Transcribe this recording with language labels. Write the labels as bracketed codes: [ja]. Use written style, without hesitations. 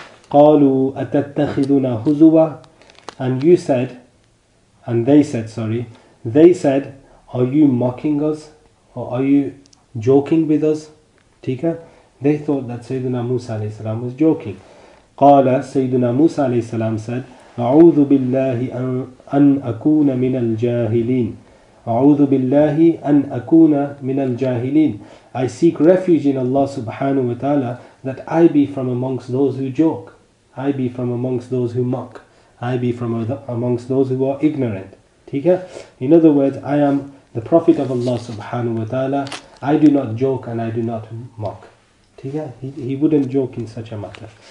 [ar] قَالُوا أَتَتَّخِذُنَا هُزُوَا, [en] and you said, and they said, sorry, they said, are you mocking us, or are you joking with us? [ur] Tika? [en] They thought that Sayyidina Musa alayhi salam was joking. [ar] قَالَ, [en] Sayyidina Musa alayhi salam said, [ar] أعوذ بالله أن أكون من الجاهلين. أعوذ بالله أن أكون من الجاهلين. [en] I seek refuge in Allah subhanahu wa ta'ala that I be from amongst those who joke. I be from amongst those who mock. I be from amongst those who are ignorant. [ur] Theek hai? [en] In other words, I am the Prophet of Allah subhanahu wa ta'ala. I do not joke and I do not mock. [ur] Theek hai? [en] He wouldn't joke in such a matter.